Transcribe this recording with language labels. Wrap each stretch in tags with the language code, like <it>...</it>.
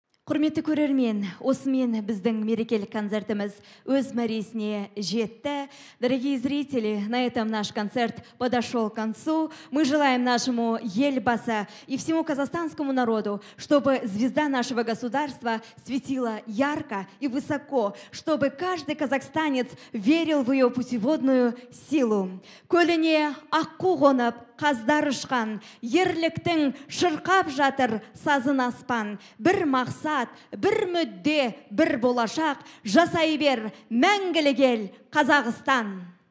<kk>Құрметті көрермен, осымен біздің мерекелік концертіміз өз мәресіне жетті.</kk> <ru>Дорогие зрители, на этом наш концерт подошел к концу. Мы желаем нашему Ельбасу и всему казахстанскому народу, чтобы звезда нашего государства светила ярко и высоко, чтобы каждый казахстанец верил в ее путеводную силу.</ru> <kk>Көліне аққу қонып, қаздар ұшқан, ерліктің шырқап жатыр сазын аспан. Бір мақсат, бір мүдде, бір болашақ, жасай бер, мәңгілік ел, Қазақстан.</kk>